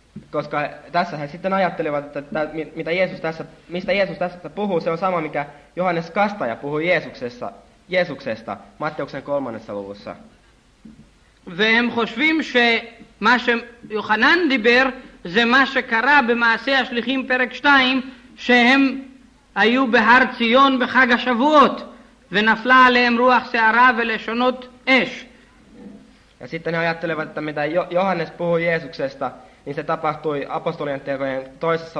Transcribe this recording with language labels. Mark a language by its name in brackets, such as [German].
[Finnish] Koska tässä he sitten ajattelivat, että mitä Jeesus tässä, mistä Jeesus tässä puhuu, se on sama, mikä Johannes Kastaja puhui Jeesuksesta Matteuksen 3. luvussa. [Hebrew] והם חושבים שמה שיוחנן דיבר זה מה שקרה במעשה השליחים פרק 2, שהם היו בהר ציון בחג השבועות ונפלה עליהם רוח שערה ולשונות אש. [Finnish] Ja sitten he ajattelevat, että mitä Johannes puhui Jeesuksesta, niin se tapahtui apostolien tekojen 2.